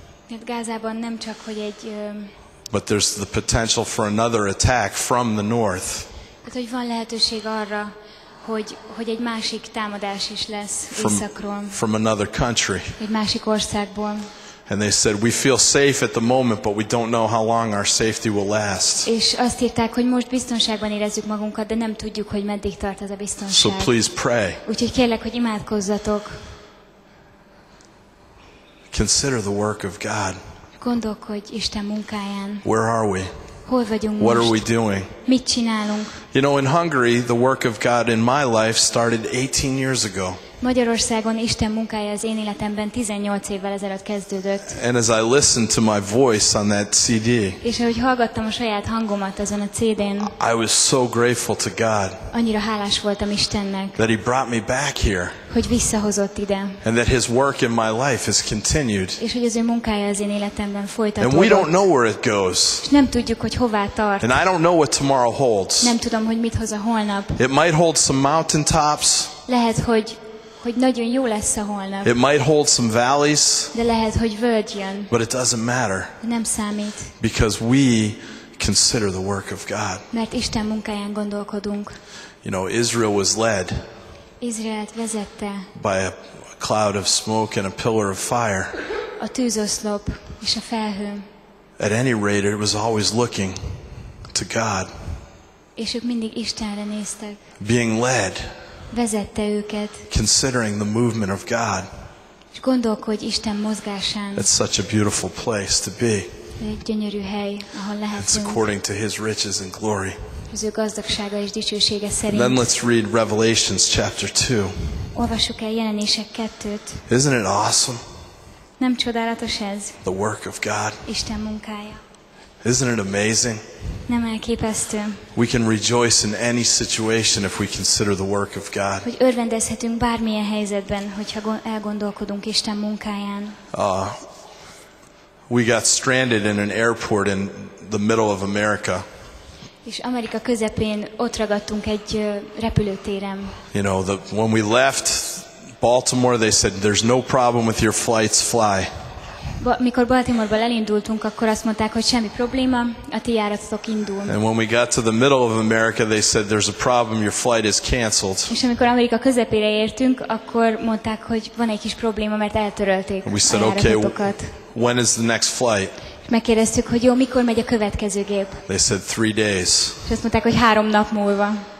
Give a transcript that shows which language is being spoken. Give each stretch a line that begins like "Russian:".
Hungarian: Mert Gázában nem csak hogy egy.
English: But there's the potential for another attack from the north.
Hungarian: Tehát hogy van lehetőség arra, hogy egy másik támadás is lesz északról.
English: From another country.
Hungarian: Egy másik országból.
English: And they said, we feel safe at the moment, but we don't know how long our safety will last.
Hungarian: És azt írták, hogy most biztonságban érezzük magunkat, de nem tudjuk, hogy meddig tart ez a biztonság.
English: So please pray.
Hungarian: Úgyhogy kérlek, hogy imádkozzatok.
English: Consider the work of God.
Hungarian: Gondolkodj Isten munkáján.
English: Where are we?
Hungarian: Hol vagyunk
English: What
Hungarian: most?
English: Are we doing?
Hungarian: Mit csinálunk?
English: You know, in Hungary, the work of God in my life started 18 years ago.
Hungarian: Magyarországon Isten munkája az én életemben 18 évvel ezelőtt kezdődött.
English: And as I listened to my voice on that CD.
Hungarian: És ahogy hallgattam a saját hangomat azon a CD-n.
English: I was so grateful to God.
Hungarian: Annyira hálás voltam Istennek.
English: That he brought me back here.
Hungarian: Hogy visszahozott ide.
English: And that his work in my life has continued.
Hungarian: És hogy az ő munkája az én életemben folytatódott.
English: And we don't know where it goes.
Hungarian: És nem tudjuk, hogy hová tart.
English: And I don't know what tomorrow holds.
Hungarian: Nem tudom, hogy mit hoz a holnap.
English: It might hold some mountaintops.
Hungarian: Lehet, hogy nagyon jó lesz a holnap.
English: It might hold some valleys.
Hungarian: De lehet, hogy völgy jön.
English: But it doesn't matter.
Hungarian: Nem számít.
English: Because we consider the work of God.
Hungarian: Mert Isten munkáján gondolkodunk.
English: You know, Israel was led.
Hungarian: Izraelt vezette.
English: By a cloud of smoke and a pillar of fire.
Hungarian: A tűzoszlop és a felhő.
English: At any rate, it was always looking to God.
Hungarian: És ők mindig Istenre néztek.
English: Being led.
Hungarian: Vezette őket.
English: Considering the movement of God.
Hungarian: És gondolkodj Isten mozgásán.
English: It's such a beautiful place to be.
Hungarian: Egy gyönyörű hely, ahol lehetünk.
English: It's according to his riches and glory.
Hungarian: Az ő gazdagsága és dicsősége szerint.
English: And then let's read Revelations chapter 2.
Hungarian: Olvassuk el Jelenések 2-t.
English: Isn't it awesome?
Hungarian: Nem csodálatos ez?
English: The work of God.
Hungarian: Isten munkája.
English: Isn't it amazing?
Hungarian: Nem elképesztő.
English: We can rejoice in any situation if we consider the work of God.
Hungarian: Hogy örvendezhetünk bármilyen helyzetben, hogyha elgondolkodunk Isten munkáján.
English: We got stranded in an airport in the middle of America.
Hungarian: És Amerika közepén ott ragadtunk egy repülőtéren.
English: You know, when we left Baltimore, they said, "There's no problem with your flights. Fly."
Hungarian: Mikor Baltimore-ba elindultunk, akkor azt mondták, hogy semmi probléma, a ti járatotok indul.
English: And when we got to the middle of America, they said, "There's a problem. Your flight is canceled."
Hungarian: És amikor Amerika közepére értünk, akkor mondták, hogy van egy kis probléma, mert eltörölték a járatotokat.
English: We said, "Okay, when is the next flight?"
Hungarian: Megkérdeztük, hogy jó, mikor megy a következő gép.
English: They said, 3 days.
Hungarian: És azt mondták, hogy 3 nap múlva.